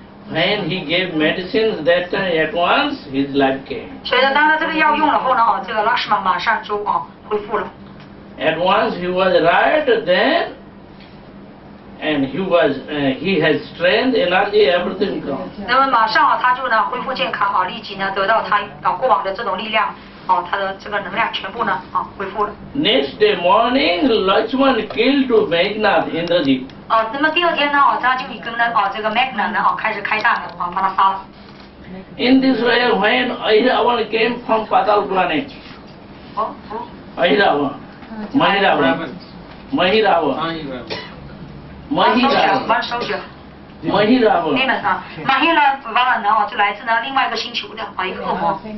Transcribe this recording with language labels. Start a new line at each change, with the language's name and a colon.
English: When he gave medicines that time at once, his life came.
Chinese: 所以呢，当他这个药用了后呢，这个 Lakshman 马上就恢复了。
English: At once he was right then, and he was he has strength, energy, everything gone.
Chinese: 那么马上他就呢恢复健康立即呢得到他过往的这种力量他的这个能量全部呢恢复了。
English: Next day morning, Lakshman killed Meghnad in the deep.
Chinese: 那么第二天呢他就跟那这个 Magna 呢开始开战了把他杀了。
English: In this way, when Ahiravan came from Patal planet, Ahiravan, Mahiravan,
Chinese: 呢就来自呢另外一个星球的一个恶魔。